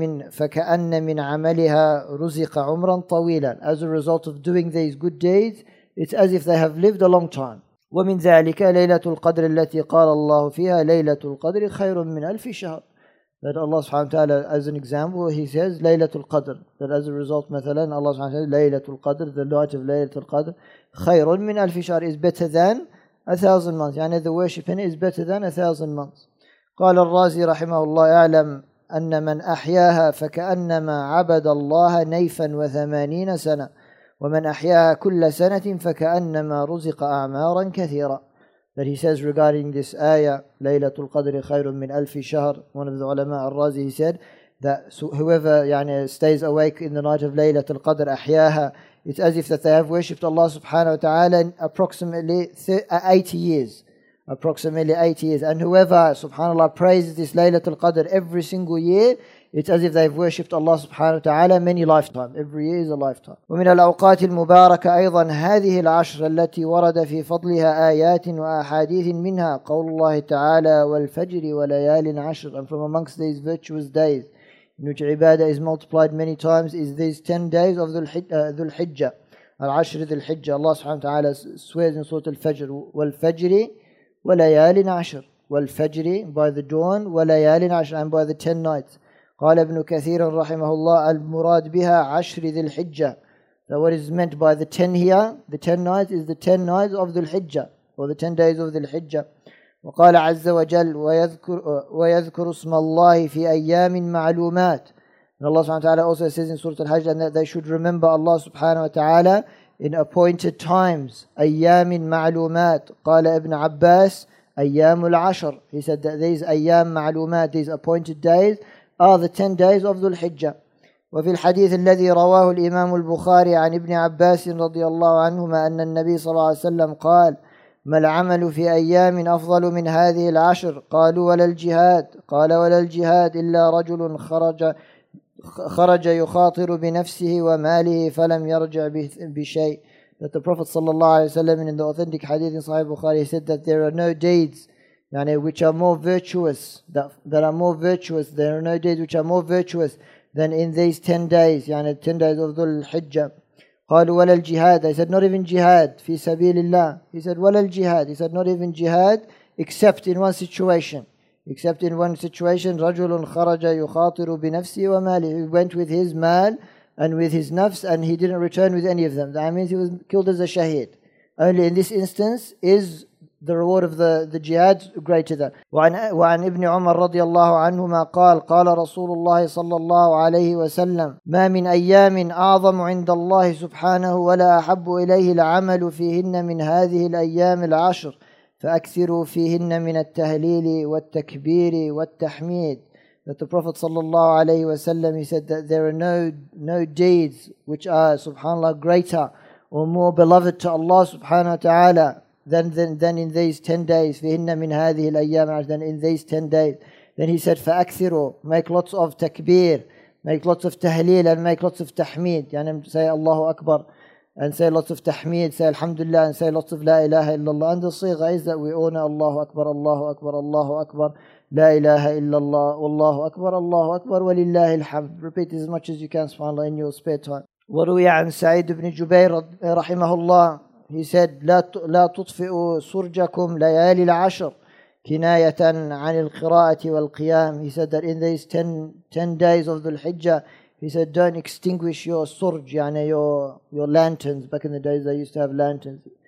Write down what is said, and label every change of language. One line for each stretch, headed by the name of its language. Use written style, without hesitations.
Arabic: فكأن من عملها رزق عمرا طويلا.
English: As a result of doing these good deeds, it's as if they have lived a long time.
Arabic: ومن ذلك ليلة القدر التي قال الله فيها ليلة القدر خير من ألف شهر.
English: That Allah
Arabic: سبحانه وتعالى,
English: as an example, He says
Arabic: ليلة القدر,
English: that as a result, مثلا Allah سبحانه وتعالى, ليلة القدر, the light of ليلة القدر,
Arabic: خير من ألف شهر,
English: is better than 1,000 months. يعني the worship in it is better than 1,000 months.
Arabic: قال الرازي رحمه الله أعلم أن من أحياها فكأنما عبد الله نيفا وثمانين سنة ومن أحياها كل سنة فكأنما رزق أعمارا كثيرة.
English: That he says regarding this ayah,
Arabic: ليلة القدر خير من ألف شهر.
English: One of the
Arabic: علماء الرازي,
English: he said that whoever يعني stays awake in the night of
Arabic: ليلة القدر أحياها,
English: it's as if that they have worshipped Allah subhanahu wa ta'ala approximately 80 years. And whoever subhanAllah praises this Laylatul Qadr every single year, it's as if they've worshipped Allah subhanahu wa ta'ala many lifetimes. Every year is a lifetime.
Arabic: ومن الأوقات المباركة أيضا هذه العشر التي ورد في فضلها آيات وأحاديث منها قول الله تعالى والفجر وليال عشر.
English: And from amongst these virtuous days in which ibadah is multiplied many times is these 10 days of Dhul-Hijjah. العشر Dhul-Hijjah, Allah subhanahu wa ta'ala swears in Surah Al-Fajr,
Arabic: والفجري وليال عشر,
English: والفجر by the dawn,
Arabic: وليال عشر,
English: and by the 10 nights.
Arabic: قال ابن كثير رحمه الله المراد بها عشر ذي الحجة.
English: So what is meant by the 10 here, the 10 nights, is the 10 nights of ذي الحجة, or the 10 days of ذي الحجة.
Arabic: وقال عز وجل ويذكر اسم الله في أيام معلومات.
English: And Allah subhanahu wa ta'ala also says in Surah Al-Hajj that they should remember Allah subhanahu wa ta'ala in appointed times,
Arabic: أيام معلومات. قال ابن عباس أيام العشر.
English: He said that these
Arabic: أيام معلومات,
English: these appointed days, are the 10 days of Dhul-Hijjah.
Arabic: وفي الحديث الذي رواه الإمام البخاري عن ابن عباس رضي الله عنهما أن النبي صلى الله عليه وسلم قال ما العمل في أيام أفضل من هذه العشر؟ قالوا ولا الجهاد. قال ولا الجهاد إلا رجل خرج يخاطر بنفسه وماله فلم يرجع بشيء.
English: That the Prophet sallallahu alaihi wasallam, in the authentic hadith in Sahih Bukhari, he said that there are no deeds, يعني, which are more virtuous, there are no deeds which are more virtuous than in these 10 days, يعني, 10 days of Dhul-Hijjah.
Arabic: قالوا ولا الجهاد,
English: he said not even jihad
Arabic: في سبيل الله.
English: He said ولا الجهاد, he said not even jihad except in one situation,
Arabic: رجل خرج يخاطر بنفسه وماله,
English: he went with his mal and with his nafs, and he didn't return with any of them. That means he was killed as a shaheed. Only in this instance is the reward of the jihad greater than.
Arabic: وعن ابن عمر رضي الله عنهما قال قال رسول الله صلى الله عليه وسلم ما من أيام أعظم عند الله سبحانه ولا أحب إليه العمل فيهن من هذه الأيام العشر فأكثروا فيهن من التهليل والتكبير والتحميد.
English: That the Prophet sallallahu alayhi wa sallam, he said that there are no deeds which are, subhanAllah, greater or more beloved to Allah subhanahu wa ta'ala than in these 10 days,
Arabic: فِيهِنَّ مِنْ هَذِهِ الْأَيَّامِ
English: than in these 10 days. Then he said, فَأَكْثِرُوا, make lots of takbir, make lots of tahleel, and make lots of tahmeed. Yani say Allahu Akbar, and say lots of tahmeed, say Alhamdulillah, and say lots of La ilaha illallah. And the sigha is that we honor
Arabic: Allahu Akbar, Allahu Akbar, Allahu Akbar, لا إله إلا الله والله أكبر الله أكبر ولله الحمد.
English: Repeat as much as you can, subhanAllah, in your spare time.
Arabic: وروي عن سعيد بن جبير رحمه الله,
English: he said
Arabic: لا تطفئوا سرجكم ليالي العشر كناية عن القراءة والقيام.
English: He said that in these 10 days of the Hijjah, he said don't extinguish your surj, يعني your lanterns. Back in the days they used to have lanterns.